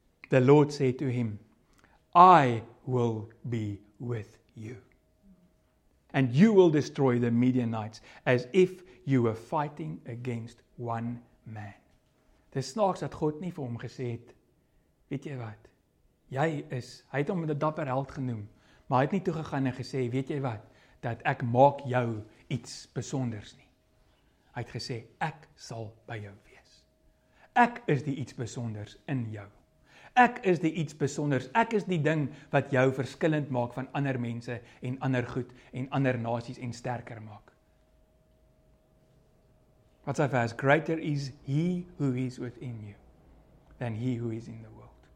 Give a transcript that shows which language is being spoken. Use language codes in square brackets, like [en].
[en] The Lord said to him, I will be with you. And you will destroy the Midianites as if you were fighting against one man. [af] Dis snaaks dat God nie vir hom gesê het, weet jy wat? Jy is, hy het hom 'n dapper held genoem. Maar hy het nie toegegaan en gesê, weet jy wat, dat ek maak jou iets besonders nie. Hy het gesê, ek sal by jou wees. Ek is die iets besonders in jou. Ek is die iets besonders. Ek is die ding wat jou verskillend maak van ander mense en ander goed en ander nasies en sterker maak. Wat sy vers, [en] greater is he who is within you than he who is in the world.